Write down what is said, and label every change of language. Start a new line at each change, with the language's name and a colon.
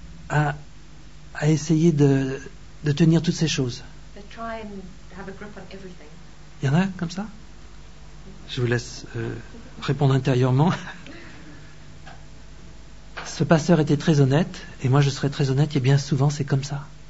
French: À essayer de tenir toutes ces choses.
English: They try and have a grip on everything.
French: Il y en a comme ça? Je vous laisse répondre intérieurement. Ce pasteur était très honnête, et moi je serais très honnête, et bien souvent c'est comme ça.